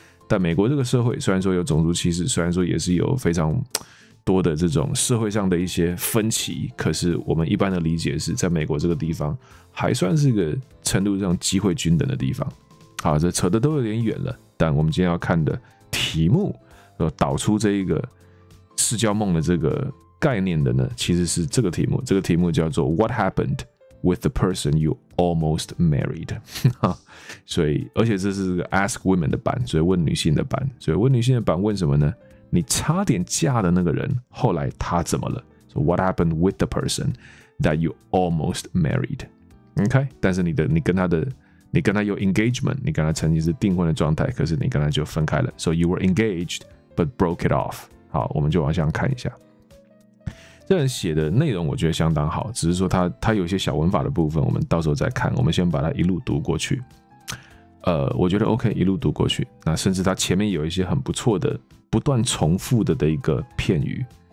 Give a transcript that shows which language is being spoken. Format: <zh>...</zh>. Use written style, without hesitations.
<zh>但美国这个社会虽然说有种族歧视，虽然说也是有非常多的这种社会上的一些分歧，可是我们一般的理解是在美国这个地方还算是个程度上机会均等的地方。好，这扯得都有点远了，但我们今天要看的题目，导出这一个市郊梦的这个概念的呢，其实是这个题目。这个题目叫做</zh> <en>"What happened with the person you almost married？"</en> <zh>所以，而且这是个 Ask Women 的版，所以问女性的版。所以问女性的版问什么呢？你差点嫁的那个人，后来他怎么了</zh> <en>？So what happened with the person that you almost married？</en> <zh>OK， 但是你跟他有 engagement， 你跟他曾经是订婚的状态，可是你跟他就分开了。</zh> <en>So you were engaged but broke it off。</en> <zh>好，我们就往下看一下。这人写的内容我觉得相当好，只是说他有一些小文法的部分，我们到时候再看。我们先把它一路读过去。我觉得 OK， 一路读过去。那甚至他前面有一些很不错的、不断重复的一个片语。</zh>